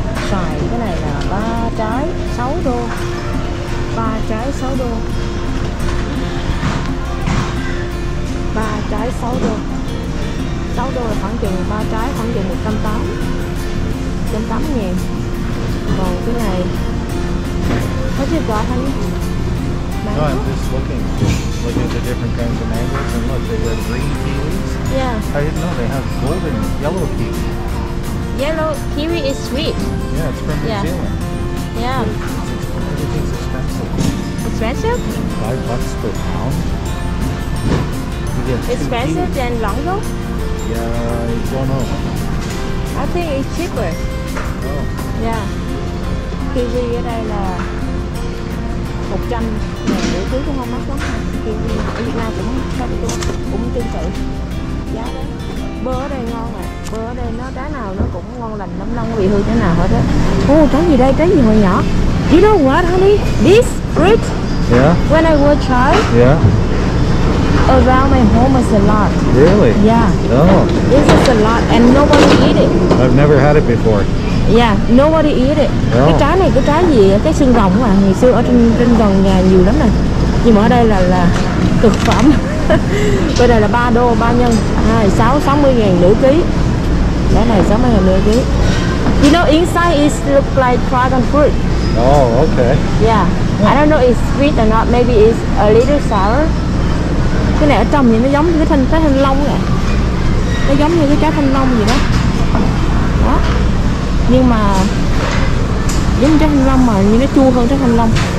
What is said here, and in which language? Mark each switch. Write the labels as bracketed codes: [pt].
[vi] Xoài cái này là 3 trái 6 đô. 3 trái 6 đô. 3 trái 6 đô. 6 đô là khoảng chừng 3 trái khoảng chừng 180 ngàn. Còn cái này [en] what's it got, honey? Mango? No, I'm just looking at the different kinds of mangoes, and look, they got green kiwis. Yeah. I didn't know they have golden yellow kiwi. Yellow kiwi is sweet. Yeah, it's from New Zealand. Yeah. Everything's expensive. Expensive? $5 per pound. Expensive kiwis. Than longo? Yeah, I don't know. I think it's cheaper. Oh. Yeah. [vi] Kiwi ở đây là 100 ngàn mỗi thứ, cũng không mắc lắm. Kiwi ở Việt Nam cũng sắp cũng tương tự giá đó. Bơ ở đây ngon à, bơ ở đây nó trái nào nó cũng ngon lành lắm, không bị hư trái nào hết á. Ồ, trái gì đây, trái gì mà nhỏ. [en] You know what, honey? This fruit? Yeah. When I was child? Yeah. Around my home is a lot. Really? Yeah. Oh. This is a lot and nobody eat it. I've never had it before. Yeah, nobody eat it. No. [vi] Cái trái này cái trái gì, cái xương rồng mà ngày xưa ở trên gần nhà nhiều lắm nè. Nhưng mà ở đây là thực phẩm. Bây giờ là 3 đô 3 nhân 2 6 60 ngàn nửa ký. Cái này 60 ngàn nửa ký. [en] You know inside is look like dragon fruit. Oh, okay. Yeah. I don't know if it's sweet or not. Maybe it's a little sour. [vi] Cái này ở trong thì nó giống như cái thanh long nè. Nó giống như cái trái thanh long gì đó. Đó. Nhưng mà giống trái thanh long mà như nó chua hơn trái thanh long.